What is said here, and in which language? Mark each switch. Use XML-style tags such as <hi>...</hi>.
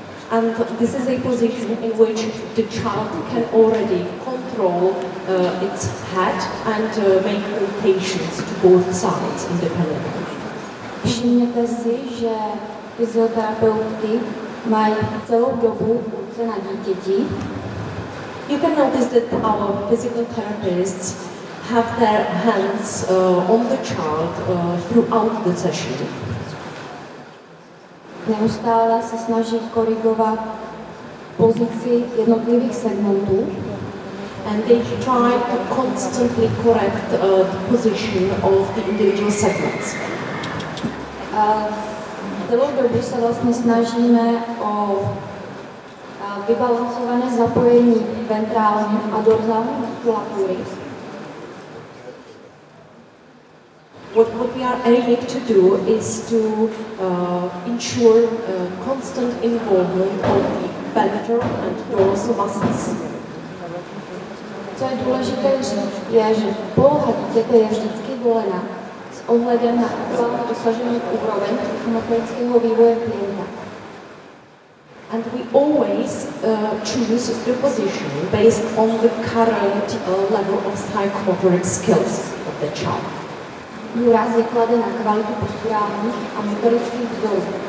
<en>And this is a position in which the child can already control its head and make rotations to both sides independently.</en> <cs>Všimněte si, že fyzioterapeuty mají celou dobu ruce na dítěti.</cs> <en>You can notice that our physical therapists have their hands on the child throughout the session.</en> <cs>Neustále se snaží korigovat pozici jednotlivých segmentů.</cs> <en>And they try to constantly correct the position of the individual segments.</en> <cs>Celou dobu se vlastně snažíme o vybalancované zapojení ventrální a dorsální muskulatury.</cs> <en>What we are aiming to do is to ensure constant involvement of the ventral and dorsal muscles.</en> <cs>Co je důležité říct, je, že poloha dítěte je vždycky volena s ohledem na aktuálně dosažený úroveň motorického vývoje klienta.</cs> <en>And we always choose the position based on the current level of psychomotoric skills of the child.</en> <cs>Důraz je kladen na kvalitu posturálních a motorických vzorů.</cs>